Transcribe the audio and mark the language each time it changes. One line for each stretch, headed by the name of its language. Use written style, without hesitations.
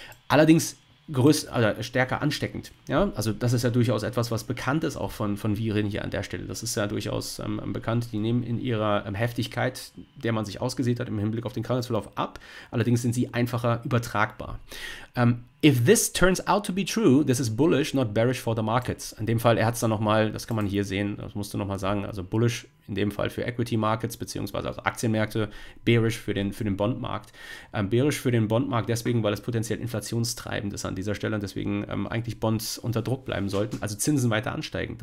German: Allerdings größt, also stärker ansteckend. Ja, also das ist ja durchaus etwas, was bekannt ist, auch von Viren hier an der Stelle. Das ist ja durchaus bekannt. Die nehmen in ihrer Heftigkeit, der man sich ausgesät hat, im Hinblick auf den Krankheitsverlauf ab. Allerdings sind sie einfacher übertragbar.
English: If this turns out to be true, this is bullish, not bearish for the markets.
German: In dem Fall, er hat es dann nochmal, das kann man hier sehen, das musst du nochmal sagen, also bullish in dem Fall für Equity Markets, beziehungsweise also Aktienmärkte, bearish für den Bondmarkt. Bearish für den Bondmarkt deswegen, weil es potenziell inflationstreibend ist an dieser Stelle und deswegen eigentlich Bonds unter Druck bleiben sollten, also Zinsen weiter ansteigen.